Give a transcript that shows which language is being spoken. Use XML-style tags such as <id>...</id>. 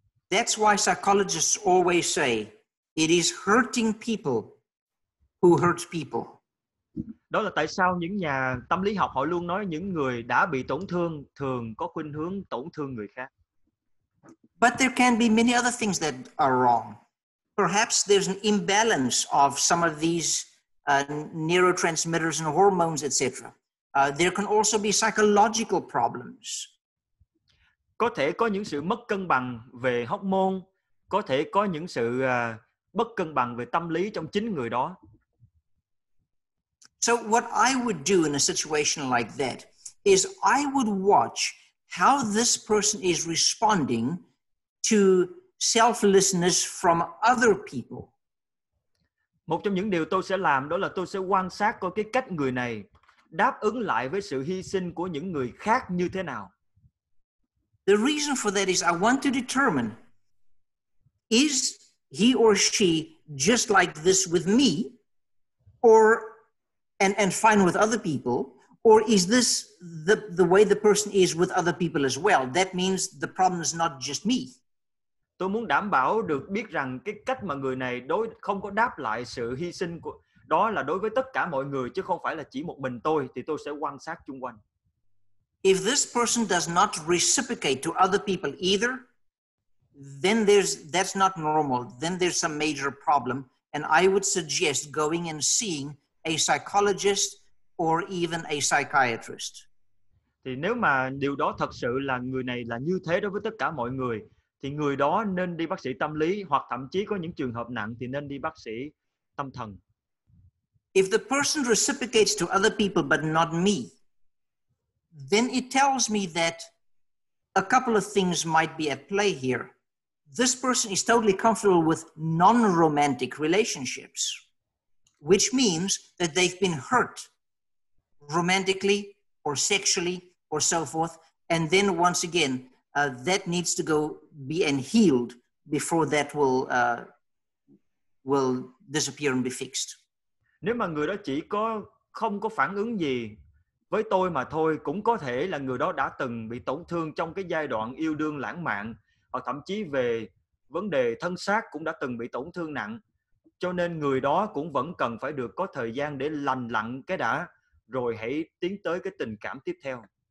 <en>That's why psychologists always say it is hurting people who hurt people.</en> <vi>Đó là tại sao những nhà tâm lý học họ luôn nói những người đã bị tổn thương thường có khuynh hướng tổn thương người khác.</vi> <en>But there can be many other things that are wrong. Perhaps there's an imbalance of some of these neurotransmitters and hormones, etc. There can also be psychological problems.</en> <vi>Có thể có những sự mất cân bằng về hormone, có thể có những sự bất cân bằng về tâm lý trong chính người đó.</vi> <en>So what I would do in a situation like that is I would watch how this person is responding to selflessness from other people.</en> <vi>Một trong những điều tôi sẽ làm đó là tôi sẽ quan sát coi cái cách người này đáp ứng lại với sự hy sinh của những người khác như thế nào.</vi> <en>The reason for that is I want to determine, is he or she just like this with me, or and fine with other people, or is this the way the person is with other people as well? That means the problem is not just me.</en> <vi>Tôi muốn đảm bảo được biết rằng cái cách mà người này đối không có đáp lại sự hy sinh của đó là đối với tất cả mọi người chứ không phải là chỉ một mình tôi, thì tôi sẽ quan sát chung quanh.</vi> <en>If this person does not reciprocate to other people either, then that's not normal. Then there's some major problem. And I would suggest going and seeing a psychologist or even a psychiatrist.</en> <vi>Thì nếu mà điều đó thật sự là người này là như thế đối với tất cả mọi người, thì người đó nên đi bác sĩ tâm lý, hoặc thậm chí có những trường hợp nặng thì nên đi bác sĩ tâm thần.</vi> <en>If the person reciprocates to other people but not me, then it tells me that a couple of things might be at play here. this person is totally comfortable with non-romantic relationships, which means that they've been hurt romantically or sexually or so forth. And then once again, that needs to go be and healed before that will disappear and be fixed.</en> <vi>Nếu mà người đó chỉ có không có phản ứng gì với tôi mà thôi, cũng có thể là người đó đã từng bị tổn thương trong cái giai đoạn yêu đương lãng mạn, hoặc thậm chí về vấn đề thân xác cũng đã từng bị tổn thương nặng. Cho nên người đó cũng vẫn cần phải được có thời gian để lành lặn cái đã, rồi hãy tiến tới cái tình cảm tiếp theo.</vi>